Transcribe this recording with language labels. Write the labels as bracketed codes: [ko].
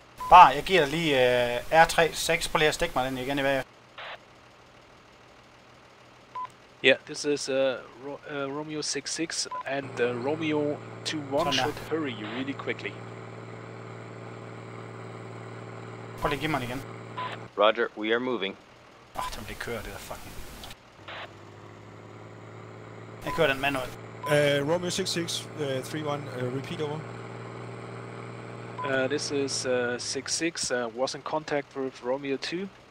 [da] Bare, jeg giver dig lige R36. Prøv lige at stikke mig den igen i vejret. [en] Yeah, this is Romeo 66 and Romeo 21 should hurry you really quickly. [da] Prøv lige at give mig den igen. [en] Roger, we are moving. [da] Åh, den bliver kørt, det der fucking... Jeg kører den mand ud. [en] Romeo 66, 31, repeat over. This is 66, was in contact with Romeo 2.